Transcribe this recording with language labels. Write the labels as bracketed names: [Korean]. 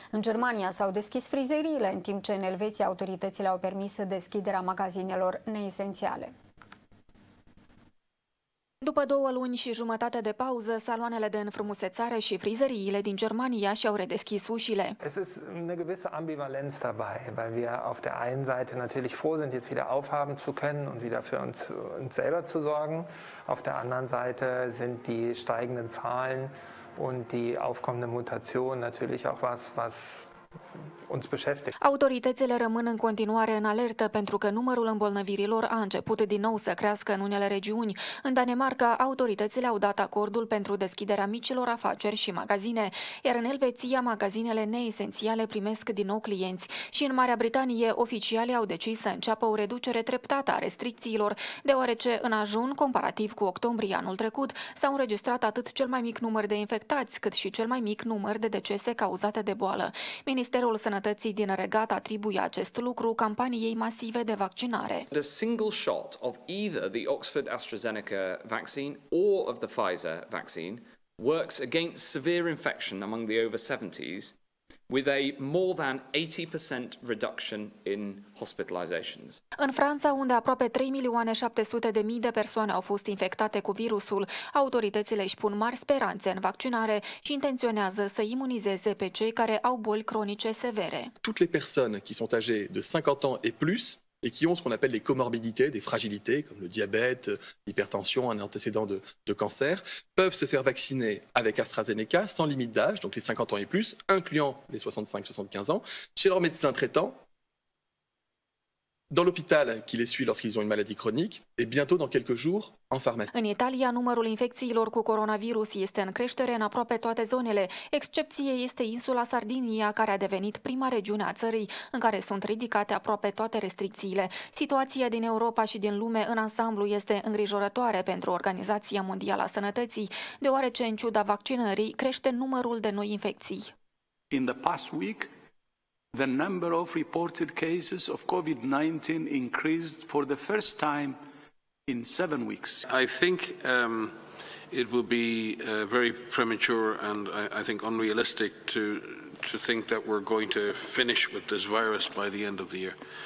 [Romanian] În Germania s-au deschis frizeriile, în timp ce în Elveția autoritățile au permis deschiderea magazinelor neesențiale. După două luni și jumătate de pauză, saloanele de înfrumusețare și frizeriile din Germania și-au redeschis ușile. [German] Es ist eine gewisse Ambivalenz dabei, weil wir auf der einen Seite natürlich froh sind, jetzt wieder aufhaben zu können und wieder für uns selber zu sorgen. Auf der anderen Seite sind die steigenden Zahlen und die aufkommende Mutation natürlich auch was uns beschäftigt. [Romanian] Autoritățile rămân în continuare în alertă pentru că numărul îmbolnăvirilor a început din nou să crească în unele regiuni. În Danemarca, autoritățile au dat acordul pentru deschiderea micilor afaceri și magazine, iar în Elveția, magazinele neesențiale primesc din nou clienți. Și în Marea Britanie, oficialii au decis să înceapă o reducere treptată a restricțiilor, deoarece în ajun, comparativ cu octombrie anul trecut, s-au înregistrat atât cel mai mic număr de infectați, cât și cel mai mic număr de decese cauzate de boală. Ministerul Sănătății din Regat atribuie acest lucru campaniei masive de vaccinare. [English] The single shot of either the Oxford AstraZeneca vaccine or of the Pfizer vaccine works against severe infection among the over 70s with a more than 80% reduction in hospitalizations. [Romanian] În Franța, unde aproape 3.700.000 de persoane au fost infectate cu virusul, autoritățile își pun mari speranțe în vaccinare și intenționează să imunizeze pe cei care au boli cronice severe. [French] Toutes les personnes qui sont âgées de 50 ans et plus et qui ont ce qu'on appelle les comorbidités, des fragilités comme le diabète, l'hypertension, un antécédent de cancer, peuvent se faire vacciner avec AstraZeneca sans limite d'âge, donc les 50 ans et plus, incluant les 65-75 ans, chez leur médecin traitant, dans l'hôpital qui les suit lorsqu'ils ont une maladie chronique, et bientôt dans quelques jours, en pharmacie. [Romanian] În Italia, numărul infecțiilor cu coronavirus este în creștere în aproape toate zonele. Excepție este insula Sardinia, care a devenit prima regiune a țării în care sunt ridicate aproape toate restricțiile. Situația din Europa și din lume în ansamblu este îngrijorătoare pentru Organizația Mondială a Sănătății, deoarece, în ciuda vaccinării, crește numărul de noi infecții. [English] In the past week, the number of reported cases of COVID-19 increased for the first time in 7 weeks. I think it will be very premature and I think unrealistic to think that we're going to finish with this virus by the end of the year.